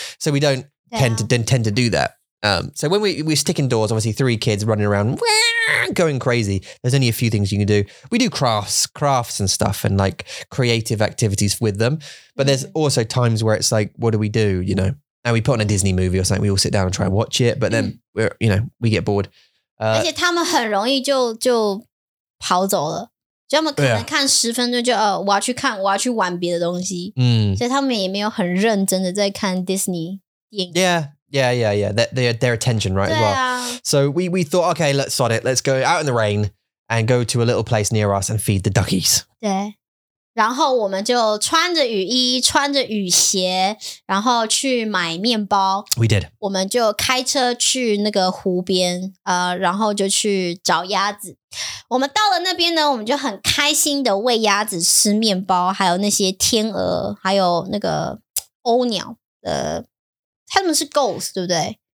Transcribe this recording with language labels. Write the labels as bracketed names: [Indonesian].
[English] So we don't tend to do that. So when we stick indoors, obviously three kids running around, going crazy. There's only a few things you can do. We do crafts and stuff and like creative activities with them. But there's also times where it's like, what do we do? You know, and we put on a Disney movie or something. We all sit down and try and watch it. But then we get bored. [Chinese] 而且他们很容易就跑走了。就他们可能看十分钟就、yeah. 我要去看我要去玩别的东西、所以他们也没有很认真的在看 Disney 电影 [English] their attention right、啊、 as well so we thought okay let's sod it let's go out in the rain and go to a little place near us and feed the duckies [Chinese] 对然后我们就穿着雨衣穿着雨鞋然后去买面包 [English] we did [Chinese] 我们就开车去那个湖边然后就去找鸭子我们到了那边呢我们就很开心的喂鸭子吃面包还有那些天鹅还有那个鸥鸟他们是 gulls 对不对